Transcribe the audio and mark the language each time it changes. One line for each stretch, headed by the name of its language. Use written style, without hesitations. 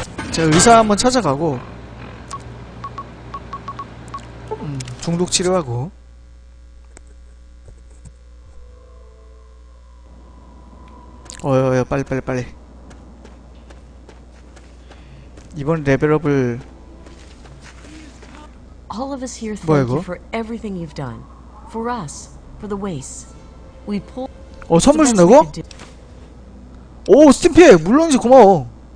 Korean: 제가 의사 한번 찾아가고, 중독 치료하고. 어여 빨리 이번 레벨업을
English: All of us here thank you for everything you've done for us for the waste. We pull
Korean: 어 선물 준다고? 오 스팀피 물론이지 고마워.